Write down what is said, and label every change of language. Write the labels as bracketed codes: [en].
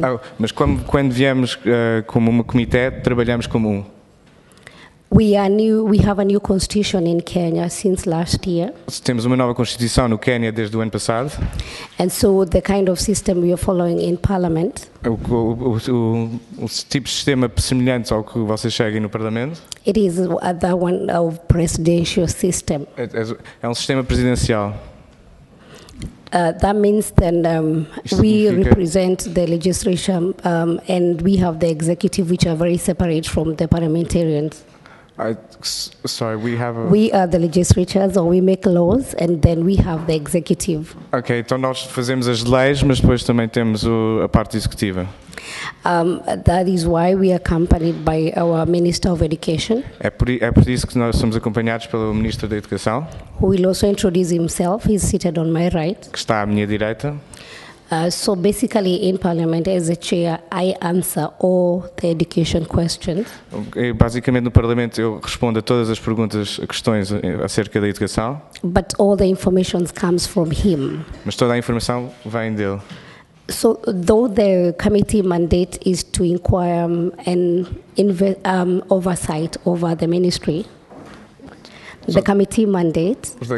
[pt] Oh, mas quando viemos como um comitê, trabalhamos como um. [en] We have a new constitution in Kenya since last year. [pt] Temos uma nova constituição no Quénia desde o ano passado. [en] And so the kind of system we are following in Parliament. [pt] O tipo de sistema semelhante ao que vocês seguem no Parlamento. [en] It is that one of presidential system. [pt] É um sistema presidencial. [en] That means then we represent the legislation and we have the executive which are very separate from the parliamentarians. We are the legislatures or we make laws and then we have the executive. [pt] Okay, então nós fazemos as leis, mas depois também temos a parte executiva. [en] That is why we are accompanied by our Minister of Education. [pt] É por isso que nós somos acompanhados pelo Ministro da Educação. [en] Who will also introduce himself. He's seated on my right. [pt] Que está à minha direita. [en] So basically in Parliament, as a chair, I answer all the education questions. [pt] Basicamente no Parlamento eu respondo a todas as perguntas, questões acerca da educação. [en] But all the information comes from him. [pt] Mas toda a informação vem dele. [en] So though the committee mandate is to inquire and oversight over the ministry, the committee mandate